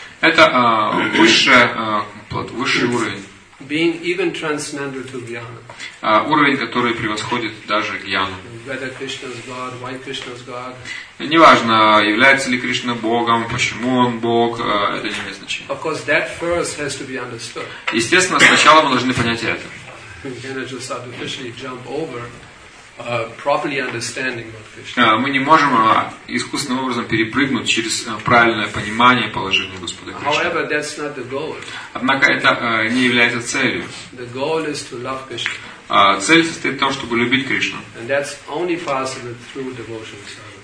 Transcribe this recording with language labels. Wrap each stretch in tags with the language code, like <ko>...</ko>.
<ru>Это высший уровень.</ru> <en>Being even transcendental to jnana.</en> <ru>Уровень, который превосходит даже гьяну.</ru> <en>Whether Krishna is God, why Krishna is God.</en> <ru>Неважно, является ли Кришна Богом, почему Он Бог, это не имеет значения.</ru> <en>Of course, that first has to be understood.</en> <ru>Естественно, сначала мы должны понять это.</ru> <en>Then it just artificially jump over properly understanding what Krishna.</en> <ru>Мы не можем искусственным образом перепрыгнуть через правильное понимание положения Господа Кришны.</ru> <en>However, that's not the goal.</en> <ru>Однако это не является целью.</ru> <en>The goal is to love Krishna.</en> <ru>Цель состоит в том, чтобы любить Кришну.</ru> <en>And that's only possible through devotion service.</en>